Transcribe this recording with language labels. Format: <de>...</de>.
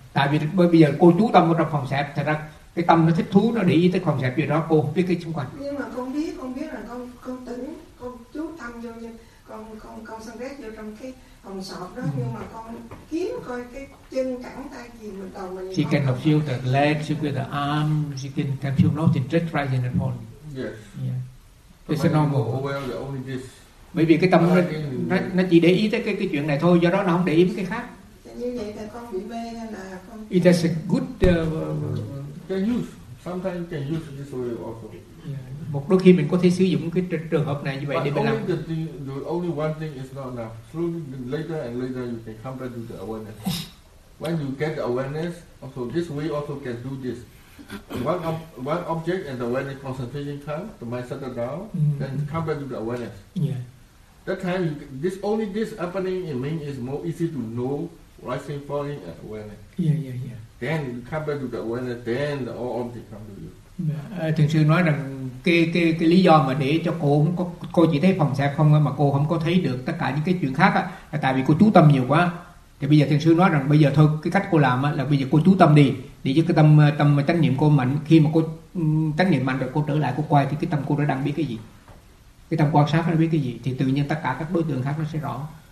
<vi>Tại vì bây giờ cô chú tâm vào trong phòng xếp, thật ra cái tâm nó thích thú, nó để ý tới phòng xếp gì đó, cô không biết cái xung quanh. Nhưng mà con biết là con tỉnh, con chú tâm vô, nhưng con sang rét vô trong cái phòng xọp đó, nhưng mà con kiếm coi cái chân cẳng tay gì mà đầu mình.</vi> <en>She can have feel the leg, she feel the arm, she can feel nothing, just rising and falling. Yes. Yeah. This is normal. Oh, well, only this.</en> <vi>Bởi vì cái tâm nó chỉ để ý tới cái chuyện này thôi, do đó nó không để ý với cái khác. Như vậy là con bị hay là con...</vi> <en>It is a good... can use. Sometimes you can use this way also. Yeah.</en> <vi>Một đôi khi mình có thể sử dụng cái trường hợp này như vậy.</vi> <en>But</en> <vi>để mình làm.</vi> <en>But only one thing is not enough. Slowly, later and later you can come back to the awareness. When you get the awareness, also this way also can do this. One object and the awareness concentration comes, the mind settle down, then come back to the awareness. Yeah. That time, this happening in mind is more easy to know, rising, falling, and awareness. Yeah. Then you come back to the awareness, then all objects come to you.</en> <vi>Thường sư nói rằng cái lý do mà để cho cô chỉ thấy phòng xẹp không mà cô không có thấy được tất cả những cái chuyện khác á, là tại vì cô chú tâm nhiều quá. Thì bây giờ thiền sư nói rằng bây giờ thôi cái cách cô làm á, là bây giờ cô chú tâm đi, Để cho cái tâm tâm trách nhiệm cô mạnh, khi mà cô trách nhiệm mạnh rồi cô trở lại cô quay thì cái tâm cô đã đang biết cái gì, cái tâm quan sát nó biết cái gì, thì tự nhiên tất cả các đối tượng khác nó sẽ rõ.</vi>